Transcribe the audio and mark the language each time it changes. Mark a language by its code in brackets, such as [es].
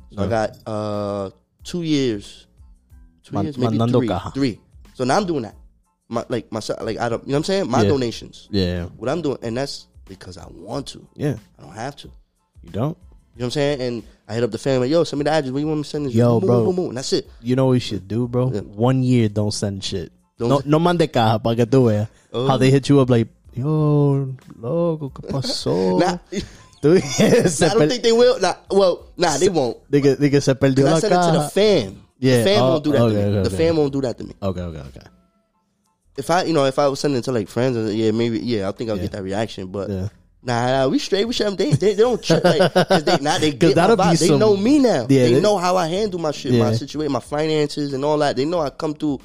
[en] So I got 2 years, three. So now I'm doing that. You know what I'm saying? My donations. Yeah. What I'm doing, and that's because I want to. Yeah. I don't have to. You don't? You know what I'm saying? And I hit up the family. Yo, send me the address. What do you want me to send this? Yo, boom, bro. Boom, boom, boom. That's it. You know what we should do, bro? Yeah. 1 year, don't send shit. [es] No mande caja para que tú veas. [en] How they hit you up like, yo, [es] loco, ¿qué pasó? [en] I don't think they will. They won't. They get [es] se perdió la caja. [en] I send it to the fam. Yeah. The fam won't do that to me. Okay. The fam won't do that to me. Okay. If I was sending it to like friends, I'll get that reaction. But yeah. Nah, we straight. We should have they don't they know me now. Yeah, they know how I handle my shit, my situation, my finances and all that. They know I come through.